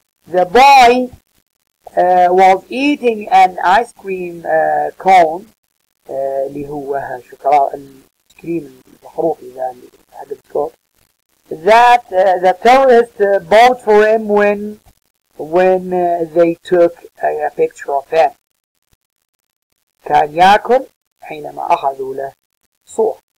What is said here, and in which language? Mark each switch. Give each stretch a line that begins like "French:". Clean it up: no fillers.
English: The boy was eating an ice cream cone.
Arabic: اللي هو شوكولاتة الايس كريم المحروق اذا حق البسكوت.
English: That the tourist bought for him when they took a picture of him.
Arabic: كان ياكل حينما اخذوا له صور.